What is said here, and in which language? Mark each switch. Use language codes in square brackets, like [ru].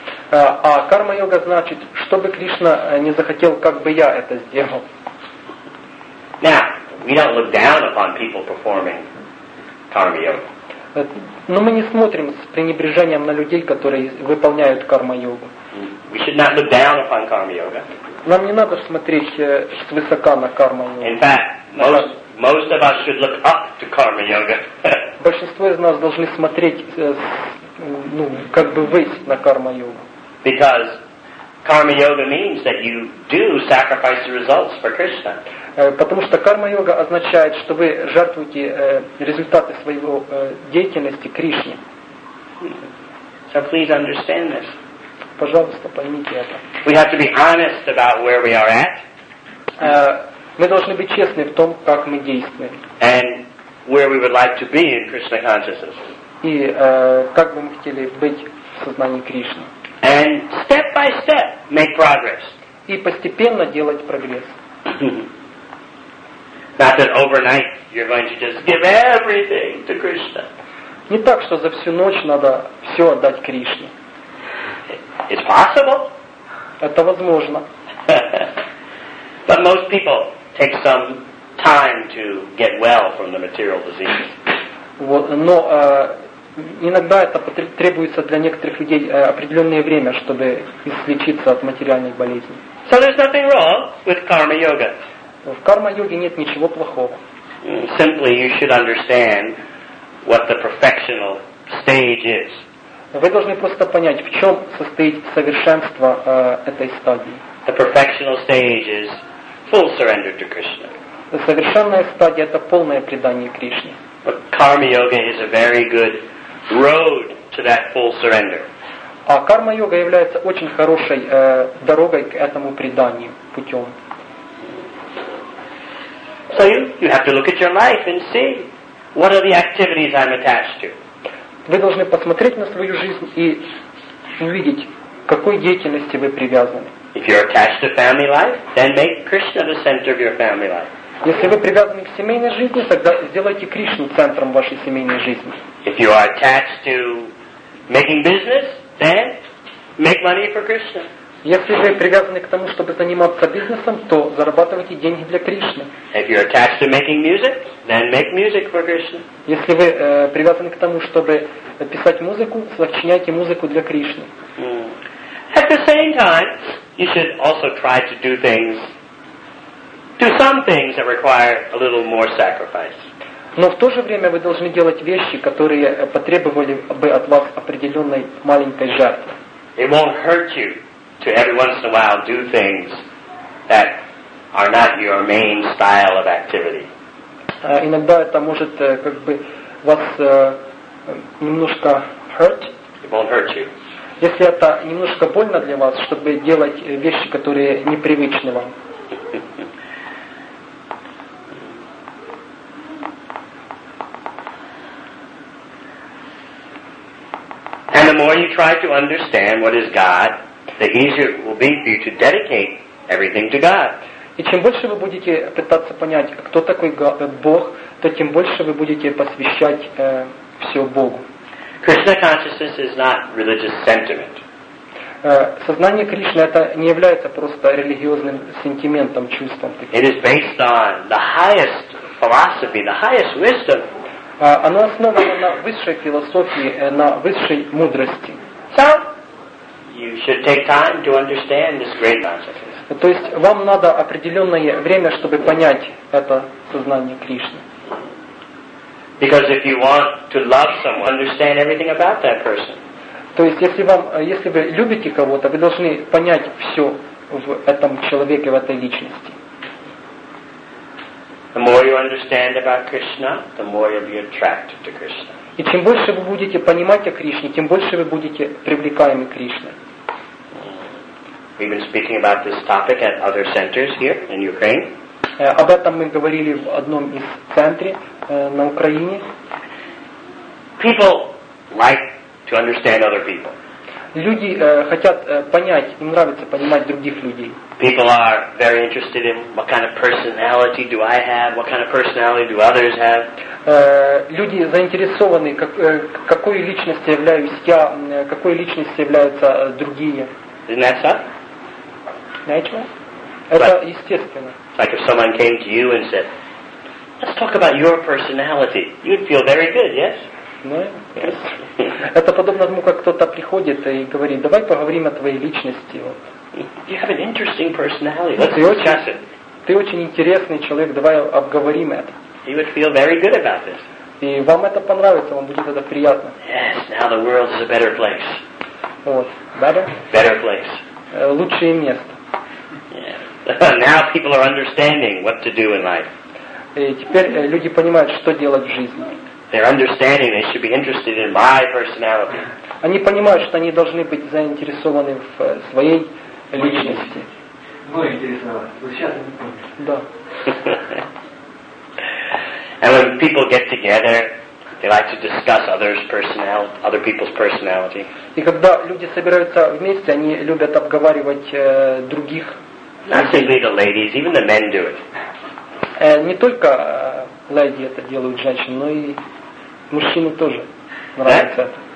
[ru] А карма йога значит, что бы Кришна не захотел, как бы я это сделал. [en] Now, we don't look down upon people performing karma yoga. [ru] Но мы не смотрим с пренебрежением на людей, которые выполняют карма-йогу. [en] We should not look down upon karma-yoga. [ru] Нам не надо смотреть свысока на карма-йогу. [en] In fact, most of us should look up to karma-yoga. [ru] Большинство из нас должны смотреть, ну, как бы ввысь на карма-йогу. [en] Because karma-yoga means that you do sacrifice the results for Krishna. [ru] Потому что карма-йога означает, что вы жертвуете результаты своего деятельности Кришне. [en] So please understand this. [ru] Пожалуйста, поймите это. [en] We have to be honest about where we are at. [ru] Мы должны быть честны в том, как мы действуем. [en] And where we would like to be in Krishna consciousness. [ru] И как бы мы хотели быть в сознании Кришны. [en] And step by step make progress. [ru] И постепенно делать прогресс. [en] Not that overnight you're going to just give everything to Krishna. [ru] Не так, что за всю ночь надо все отдать Кришне. [en] It's possible. [ru] Это возможно. [en] But most people take some time to get well from the material diseases. [ru] Вот, но иногда это требуется для некоторых людей определенное время, чтобы излечиться от материальных болезней. [en] So there's nothing wrong with karma yoga. [ru] В карма-йоге нет ничего плохого. [en] Simply you should understand what the perfectional stage is. [ru] Вы должны просто понять, в чем состоит совершенство этой стадии. [en] The perfectional stage is full surrender to Krishna. [ru] Совершенная стадия — это полное предание Кришне. [en] But karma-yoga is a very good road to that full surrender. [ru] А карма-йога является очень хорошей дорогой к этому преданию, путем. [en] So you have to look at your life and see what are the activities I'm attached to. [ru] Вы должны посмотреть на свою жизнь и увидеть, к какой деятельности вы привязаны. [en] If you're attached to family life, then make Krishna the center of your family life. [ru] Если вы привязаны к семейной жизни, тогда сделайте Кришну центром вашей семейной жизни. [en] If you are attached to making business, then make money for Krishna. [ru] Если вы привязаны к тому, чтобы заниматься бизнесом, то зарабатывайте деньги для Кришны. [en] If you're attached to making music, then make music for Krishna. [ru] Если вы привязаны к тому, чтобы писать музыку, сочиняйте музыку для Кришны. [en] At the same time, you should also try to do some things that require a little more sacrifice. [ru] Но в то же время вы должны делать вещи, которые потребовали бы от вас определенной маленькой жертвы. [en] It won't hurt you to every once in a while do things that are not your main style of activity. [ru] Иногда это может как бы вас немножко hurt. [en] It won't hurt you. [ru] Если это немножко больно для вас, чтобы делать вещи, которые непривычны вам. [en] And the more you try to understand what is God, the easier it will be for you to dedicate everything to God. [ru] И чем больше вы будете пытаться понять, кто такой Бог, то тем больше вы будете посвящать все Богу. [en] Krishna consciousness is not religious sentiment. [ru] Сознание Кришны это не является просто религиозным сентиментом, чувством. [en] It is based on the highest philosophy, the highest wisdom. [ru] Оно основано на высшей философии, на высшей мудрости. [en] So, you should take time to understand this great logic. [ru] То есть вам надо определенное время, чтобы понять это сознание Кришны. [en] Because if you want to love someone, understand everything about that person. [ru] То есть если вы любите кого-то, вы должны понять все в этом человеке, в этой личности. [en] The more you understand about Krishna, the more you'll be attracted to Krishna. [ru] И чем больше вы будете понимать о Кришне, тем больше вы будете привлекаемы к Кришне. [en] We've been speaking about this topic at other centers here in Ukraine. [ru] Об этом мы говорили в одном из центров на Украине. [en] People like to understand other people. [ru] Люди хотят понять, им нравится понимать других людей. [en] People are very interested in what kind of personality do I have, what kind of personality do others have. [ru] Люди заинтересованы, какой личностью являюсь я, какой личностью являются другие. [en] Isn't that so? [ru] Natural? Это естественно. [en] Like if someone came to you and said, let's talk about your personality, you'd feel very good, yes? Yes. [ru] Это подобно тому, как кто-то приходит и говорит, давай поговорим о твоей личности. [en] You have an interesting personality. Let's discuss it. [ru] Ты очень интересный человек, давай обговорим это. [en] You would feel very good about this. [ru] И вам это понравится, вам будет это приятно. [en] Yes, now the world is a better place. [ru] Вот. Better? [en] Better place. [ru] Лучшее место. [en] Yeah. Now people are understanding what to do in life. [ru] И теперь люди понимают, что делать в жизни. [en] They're understanding they should be interested in my personality. [ru] Они понимают, что они должны быть заинтересованы в своей личности. Да. [en] And when people get together, they like to discuss other people's personality. [ru] И когда люди собираются вместе, они любят обговаривать других. [en] Not simply the ladies, even the men do it. [ru] Не только леди это делают, женщины, но и мужчины тоже нравится.